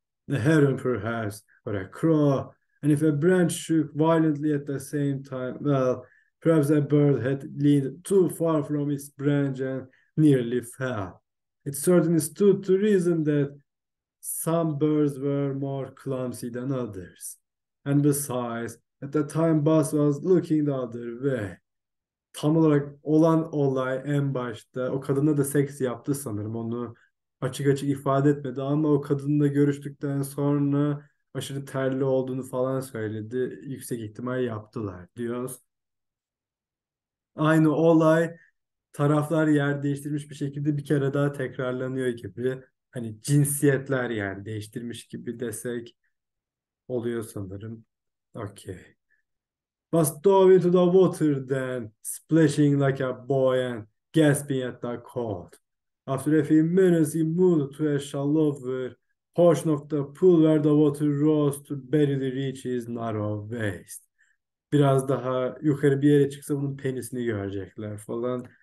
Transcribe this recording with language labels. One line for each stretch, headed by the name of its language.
English: A heron, perhaps, or a crow. And if a branch shook violently at the same time, well, perhaps a bird had leaned too far from its branch and nearly fell. It certainly stood to reason that some birds were more clumsy than others. And besides, at the time Bas was looking the other way.
Turkish: Tam olarak olan olay en başta, o kadına da seks yaptı sanırım, onu açık açık ifade etmedi ama o kadınla görüştükten sonra aşırı terli olduğunu falan söyledi. Yüksek ihtimal yaptılar diyoruz. Aynı olay taraflar yer değiştirmiş bir şekilde bir kere daha tekrarlanıyor gibi. Hani cinsiyetler yer değiştirmiş gibi desek oluyor sanırım.
English: Okay. Bast dove into the water then, splashing like a boy and gasping at the cold. After a few minutes, he moved to a shallower portion of the pool where the water rose to barely reach his narrow waist.
Turkish: Biraz daha yukarı bir yere çıksa bunun penisini görecekler falan.